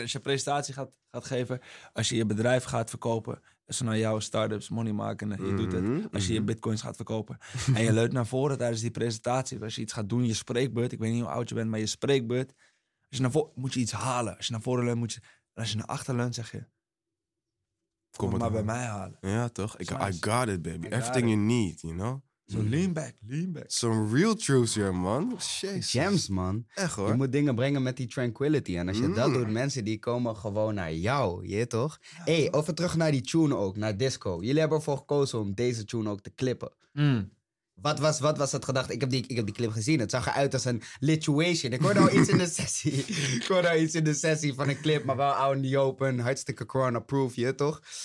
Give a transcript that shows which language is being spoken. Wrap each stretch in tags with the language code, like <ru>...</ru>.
<nl>Als je presentatie gaat geven, als je je bedrijf gaat verkopen, is het naar jouw startups, money maken, je doet het. Als je je bitcoins gaat verkopen en je leunt naar voren tijdens die presentatie. Als je iets gaat doen, je spreekbeurt. Ik weet niet hoe oud je bent, maar je spreekbeurt. Als je naar voren, moet je iets halen. Als je naar voren leunt, moet je... En als je naar achter leunt, zeg je... Kom het maar bij mij halen. Ja, toch?</nl> <en>I got it, baby. Everything you need, you know? So lean back. Some real truth here, man.</en> <nl>Jezus.</nl> <en>Gems, man.</en> <nl>Echt, hoor. Je moet dingen brengen met die tranquility. En als je dat doet, mensen die komen gewoon naar jou. Je toch? Ja, hey, over terug naar die tune ook, naar disco. Jullie hebben ervoor gekozen om deze tune ook te clippen. Mm. Wat was dat gedacht? Ik heb die clip gezien. Het zag eruit als een lituation. Ik hoorde al iets in de sessie. Ik hoorde al iets in de sessie van een clip. Maar wel oud in die open. Hartstikke corona-proof, je toch?</nl>